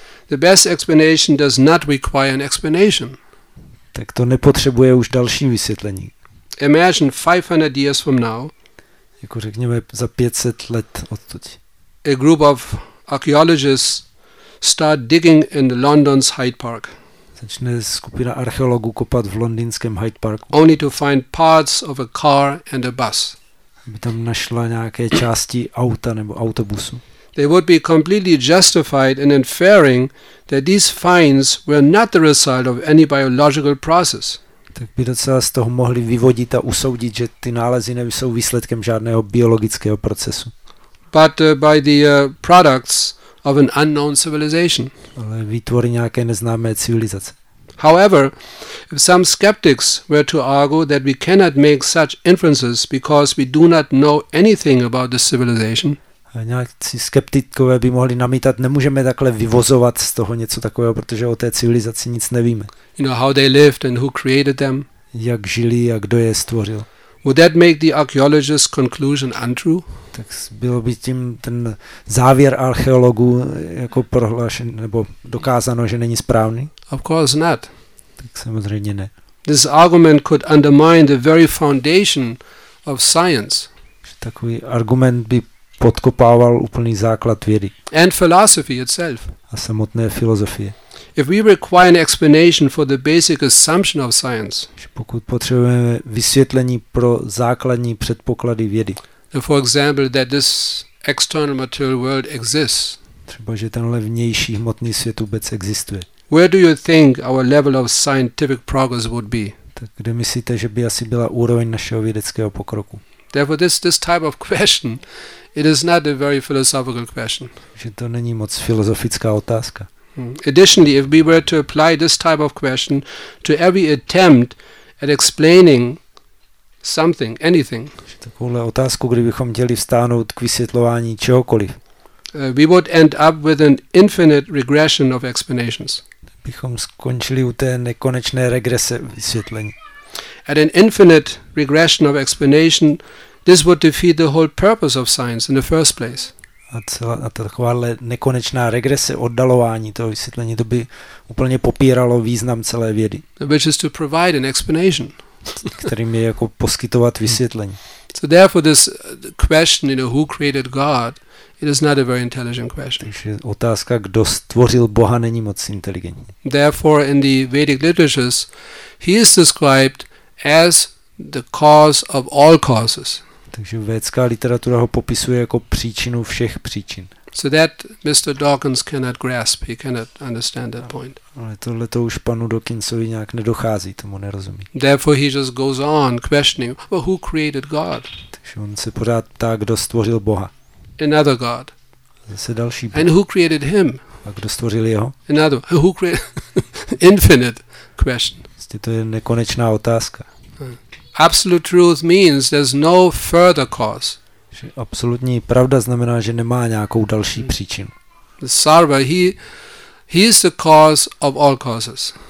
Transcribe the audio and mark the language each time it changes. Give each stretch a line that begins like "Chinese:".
English: The best explanation does not require an explanation.
Czech: Tak to nepotřebuje už další vysvětlení.
English: Imagine 500 years from now.
Czech: Jako řekněme za 500 let odtud.
English: A group of archaeologists start digging in London's Hyde Park.
Czech: Začne skupina archeologů kopat v londýnském Hyde Parku.
English: Only to find parts of a car and a bus.
Czech: Aby tam našla nějaké části auta nebo autobusu.
English: They would be completely justified in inferring that these finds were not the result of any biological process.
Czech: Tak by docela z toho mohli vyvodit a usoudit, že ty nálezy nejsou výsledkem žádného biologického procesu.
English: But by the products of an unknown civilization.
Czech: Ale výtvory nějaké neznámé civilizace.
English: However, if some skeptics were to argue that we cannot make such inferences because we do not know anything about the civilization,
Czech: nějakí skeptikové by mohli namítat, nemůžeme takhle vyvozovat z toho něco takového, protože o té civilizaci nic nevíme.
English: You know how they lived and who created them?
Czech: Jak žili a kdo je stvořil?
English: Would that make the archaeologist's conclusion untrue?
Czech: Tak bylo by tím ten závěr archeologů jako prohlášen nebo dokázáno, že není správný?
English: Of course not.
Czech: Tak samozřejmě ne.
English: This argument could undermine the very foundation of science.
Czech: Takový argument by podkopával úplný základ vědy.
English: And philosophy itself.
Czech: A samotné filozofie.
English: If we require an explanation for the basic assumption of science.
Czech: Pokud potřebujeme vysvětlení pro základní předpoklady vědy.
English: For example, that this external material world exists.
Czech: Třeba, že tenhle vnější hmotný svět vůbec existuje.
English: Where do you think our level of scientific progress would be?
Czech: Tak kde myslíte, že by asi byla úroveň našeho vědeckého pokroku?
English: Therefore, this type of question, it is not a very philosophical question.
Czech: Že to není moc filozofická otázka.
English: Additionally, if we were to apply this type of question to every attempt at explaining something, anything.
Czech: Takovouhle otázku, kdybychom chtěli vstáhnout k vysvětlování čehokoliv.
English: We would end up with an infinite regression of explanations.
Czech: Bychom skončili u té nekonečné regrese vysvětlení.
English: At an infinite regression of explanation, this would defeat the whole purpose of science in the first place.
Czech: A takováhle nekonečná regrese oddalování toho vysvětlení, to by úplně popíralo význam celé vědy.
English: Which is to provide an explanation.
Czech: Kterým je jako poskytovat vysvětlení.
English: So therefore this question, you know, who created God, it is not a very intelligent question.
Czech: Takže otázka, kdo stvořil Boha, není moc inteligentní.
English: Therefore in the Vedic literatures, he is described as the cause of all causes.
Czech: Takže védská literatura ho popisuje jako příčinu všech příčin.
English: So that Mr. Dawkins cannot grasp, he cannot understand that point.
Czech: Ale tohle to už panu Dawkinsovi nějak nedochází, tomu nerozumí.
English: Therefore he just goes on questioning, well, who created God?
Czech: Takže on se pořád ptá, kdo stvořil Boha.
English: Another God.
Czech: Zase další Boha.
English: And who created him?
Czech: A kdo stvořil jeho?
English: Another, who created, infinite question.
Czech: Zase to je nekonečná otázka.
English: Absolute truth means there's no further cause.
Czech: Že absolutní pravda znamená, že nemá nějakou další příčinu.
English: The Sarva, he is the cause of all causes.